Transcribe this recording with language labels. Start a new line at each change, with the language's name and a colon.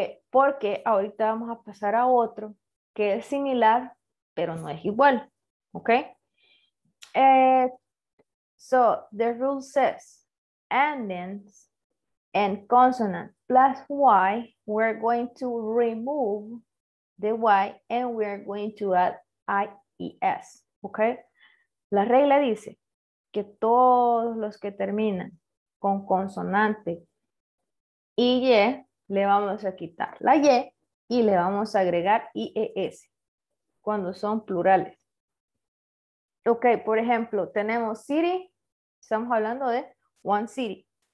Spanish: Porque ahorita vamos a pasar a otro que es similar, pero no es igual. Ok.
English: So the rule says endings and consonant plus Y, we're going to remove the Y and we're going to add IES. Ok.
Spanish: La regla dice que todos los que terminan con consonante y Y, le vamos a quitar la Y y le vamos a agregar IES cuando son plurales. Ok, por ejemplo, tenemos city, estamos hablando de one city.